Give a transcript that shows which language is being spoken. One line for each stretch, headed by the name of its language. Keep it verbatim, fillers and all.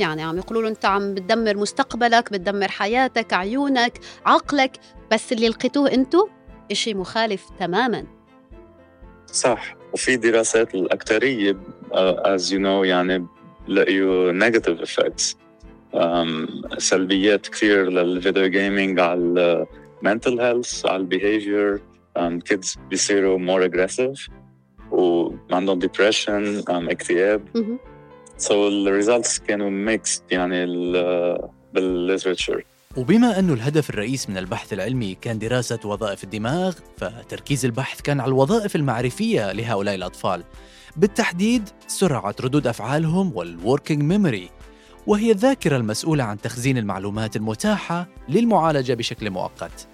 Arabic: يعني عم يقولوا له انت عم بتدمر مستقبلك، بتدمر حياتك، عيونك، عقلك، بس اللي لقيتوه انتو اشي مخالف تماما. صح. وفي دراسات الاكثريه uh,
English: as you know
Arabic: يعني لقيوا
English: negative effects
Arabic: um, سلبيات كثير للفيديو جيمينج على
English: mental health،
Arabic: على behavior.
English: um, kids
Arabic: بيصيروا
English: more aggressive
Arabic: وعندهم
English: depression um,
Arabic: اكتئاب.
English: so the results
Arabic: كانوا
English: mixed
Arabic: يعني بالليتراتشر. وبما أنه الهدف الرئيس من البحث العلمي كان دراسة وظائف الدماغ، فتركيز البحث كان على الوظائف المعرفية لهؤلاء الأطفال، بالتحديد سرعة ردود أفعالهم والworking memory، وهي الذاكرة المسؤولة عن تخزين المعلومات المتاحة للمعالجة بشكل مؤقت.